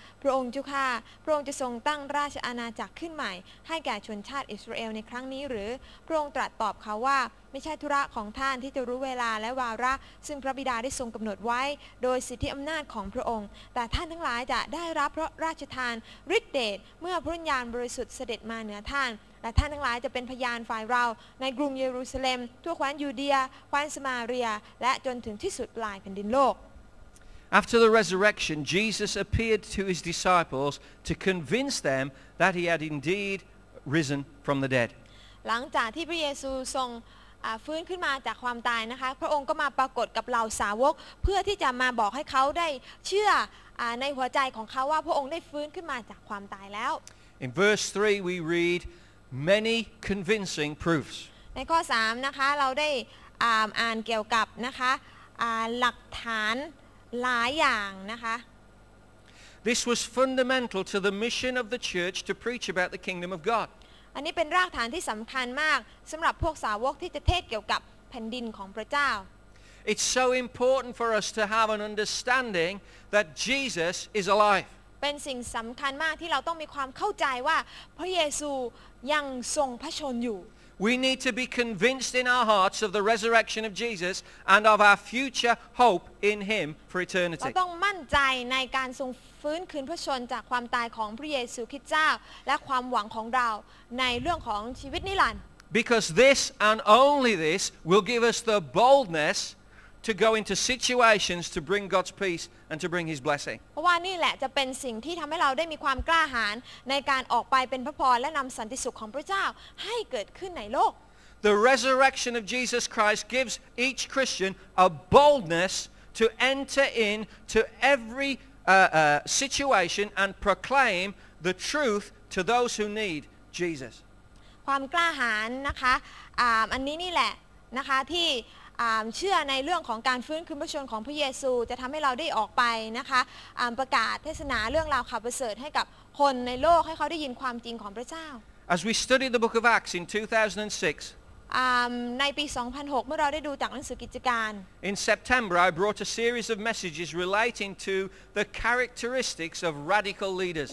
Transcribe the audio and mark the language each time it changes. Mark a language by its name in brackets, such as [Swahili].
[Thai] พระองค์เจ้าข้าพระองค์จะทรงตั้งราชอาณาจักรขึ้นใหม่ให้แก่ชนชาติอิสราเอลในครั้งนี้หรือพระองค์ตรัสตอบเขาว่าไม่ใช่ธุระของท่านที่จะรู้เวลาและวาระซึ่งพระบิดาได้ทรงกำหนดไว้โดยสิทธิอำนาจของพระองค์แต่ท่านทั้งหลายจะได้รับพระราชทานฤทธิ์เดชเมื่อพระวิญญาณบริสุทธิ์เสด็จมาเหนือท่านและท่านทั้งหลายจะเป็นพยานฝ่ายเราในกรุงเยรูซาเล็มทั่วแคว้นยูเดียแคว้นสมาเรียและจนถึงที่สุดปลายแผ่นดินโลก [English] After the resurrection Jesus appeared to his disciples to convince them that he had indeed risen from the dead [Thai] งจากที่พระเยซูทรงฟื้นขึ้นมาจากความตายนะคะพระองค์ก็มาปรากฏกับเหล่าสาวกเพื่อที่จะมาบอกให้เขาได้เชื่อในหัวใจของเขาว่าพระองค์ได้ฟื้นขึ้นมาจากความตายแล้ว [English] In verse 3 we read many convincing proofs [Thai] ในข้อ3นะคะเราได้อ่านเกี่ยวกับนะคะหลักฐานหลายอย่างนะคะ [English] This was fundamental to the mission of the church to preach about the kingdom of God [Thai] อันนี้เป็นรากฐานที่สำคัญมากสำหรับพวกสาวกที่จะเทศเกี่ยวกับแผ่นดินของพระเจ้า [English] It's so important for us to have an understanding that Jesus is alive [Thai] เป็นสิ่งสำคัญมากที่เราต้องมีความเข้าใจว่าพระเยซูยังทรงพระชนอยู่ [English] We need to be convinced in our hearts of the resurrection of Jesus and of our future hope in Him for eternity. [Thai] เราต้องมั่นใจในการทรงฟื้นคืนพระชนจากความตายของพระเยซูคริสต์เจ้าและความหวังของเราในเรื่องของชีวิตนิรันดร์ [English] Because this and only this will give us the boldness to go into situations to bring God's peace and to bring His blessing. [Thai] เพราะว่านี่แหละจะเป็นสิ่งที่ทำให้เราได้มีความกล้าหาญในการออกไปเป็นพระพรและนำสันติสุขของพระเจ้าให้เกิดขึ้นในโลก [English] The resurrection of Jesus Christ gives each Christian a boldness to enter into every situation and proclaim the truth to those who need Jesus. [Thai] ความกล้าหาญนะคะอันนี้นี่แหละนะคะที่เชื่อในเรื่องของการฟื้นคืนพระชนของพระเยซูจะทำให้เราได้ออกไปนะคะประกาศเทศนาเรื่องราวข่าวประเสริฐให้กับคนในโลกให้เขาได้ยินความจริงของพระเจ้า [English] As we studied the book of Acts in 2006 [Thai] ในปี2006เมื่อเราได้ดูจากหนังสือกิจการ [English] In September I brought a series of messages relating to the characteristics of radical leaders